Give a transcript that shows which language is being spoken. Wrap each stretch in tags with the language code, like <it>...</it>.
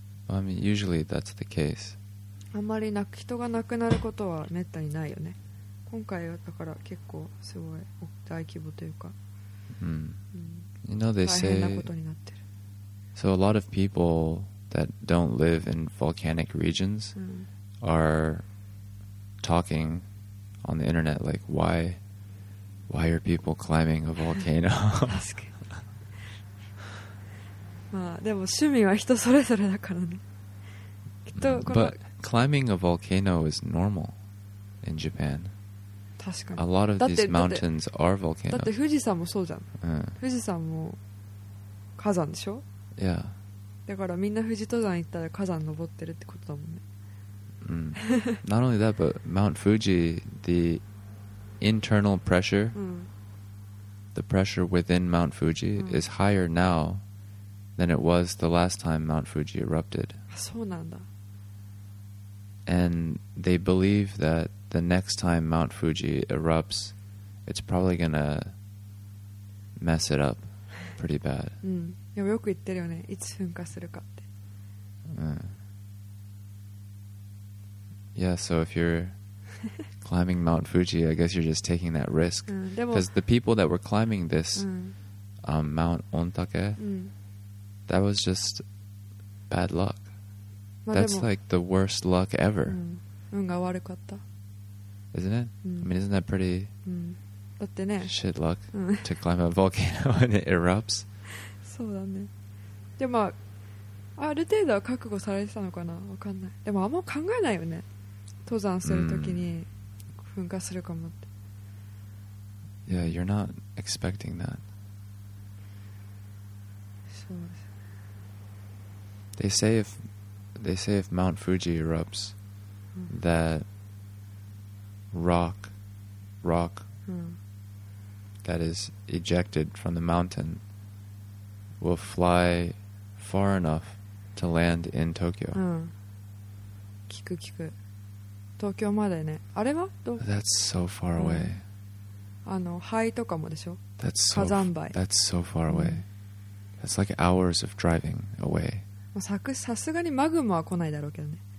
<en>I mean, usually that's the case.</en> <ja>あんまり人が亡くなることはめったにないよね。今回はだから結構すごい大規模というか、</ja> <en>you know, they</en> <ja>大変なことになってる。</ja> <en>So a lot of people that don't live in volcanic regions、are talking on the internet like why are people climbing a volcano?</en> <ja>まあでも趣味は人それぞれだからね。きっとこの</ja> <en>But climbing a volcano is normal in Japan.</en> <ja>確かに。</ja> <en>A lot of these mountains are volcanoes.</en> <ja>だって富士山もそうじゃん。うん。富士山も火山でしょ?</ja> <en>Yeah.</en> <ja>だからみんな富士登山行ったら火山登ってるってことだもんね。うん。</ja> <en>Not only that, but Mount Fuji, the internal pressure, the pressure within Mount Fuji is higher now than it was the last time Mount Fuji erupted.</en> <ja>そうなんだ。</ja> <en>And they believe that the next time Mount Fuji erupts, it's probably gonna mess it up pretty bad.</en> <ja>うん。よく言ってるよね。いつ噴火するかって。うん。</ja> <en>Yeah, so if you're climbing Mount Fuji, I guess you're just taking that risk. Because the people that were climbing this Mount Ontake, that was just bad luck. That's like the worst luck ever.</en> <ja>運が悪かった。</ja> <en>Isn't it? Mm. I mean, isn't that pretty shit luck to climb a volcano and it erupts?</en> <ja>そうだね。でも、ある程度は覚悟されてたのかな、わかんない。でもあんま考えないよね。登山するときに噴火するかもって。</ja> <en>Yeah, you're not expecting that.</en> <ja>そうです。</ja> <en>They say if Mount Fuji erupts, that rock that is ejected from the mountain will fly far enough to land in Tokyo.</en> <ja>聞く聞く。東京までね。あれは？どう？</ja> <en>That's so far away.</en> <ja>あの、灰とかもでしょ？</ja> <en>That's so</en> <ja>火山灰。</ja> <en>That's so far away. That's like hours of driving away.</en> <ja>さすがにマグマは来ないだろうけどね。</ja>